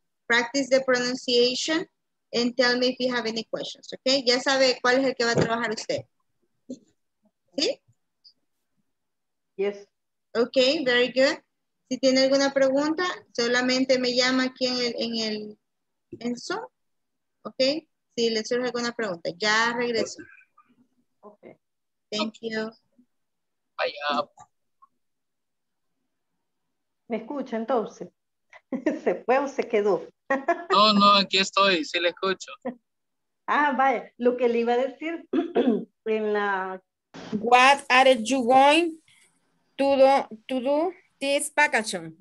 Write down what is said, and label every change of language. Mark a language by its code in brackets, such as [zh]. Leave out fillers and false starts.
[en] Practice the pronunciation and tell me if you have any questions, ok? [es] Ya sabe cuál es el que va a trabajar usted. ¿Sí? [en] Yes. Ok, very good. [es] Si tiene alguna pregunta, solamente me llama aquí en el Eso, ok. Si les surge alguna pregunta, ya regreso. [en] Ok. Thank you. Bye. [es] ¿Me escucha entonces? ¿Se fue o se quedó? No, no, aquí estoy, sí le escucho. Ah, vaya, lo que le iba a decir en la... [en] What are you going to do this vacation?